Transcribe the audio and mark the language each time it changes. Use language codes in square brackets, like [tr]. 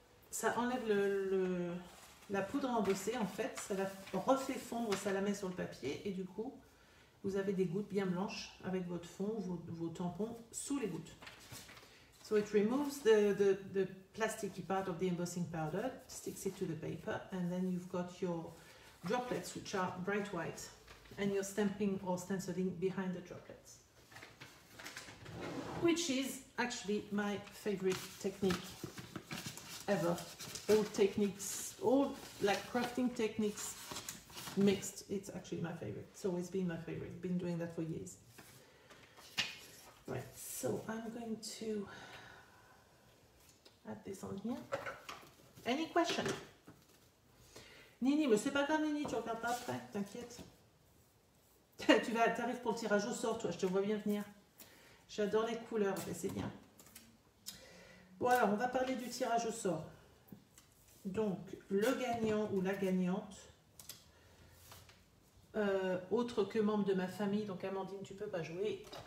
[fr] Ça enlève la poudre embossée en fait, ça la refait fondre, ça la met sur le papier et du coup vous avez des gouttes bien blanches avec votre fond, vos tampons sous les gouttes. [en] So it removes the plasticky part of the embossing powder, sticks it to the paper, and then you've got your droplets, which are bright white, and you're stamping or stenciling behind the droplets, which is actually my favorite technique ever. All techniques, all like crafting techniques mixed, it's actually my favorite. It's always been my favorite. Been doing that for years. Right, so I'm going to add this on here. Any question? [fr] Nini, mais c'est pas grave, Nini, tu regardes pas après, t'inquiète. T'arrives pour le tirage au sort, toi, je te vois bien venir. J'adore les couleurs, mais c'est bien. Bon, alors, on va parler du tirage au sort. Donc, le gagnant ou la gagnante, autre que membre de ma famille, donc Amandine, tu peux pas jouer.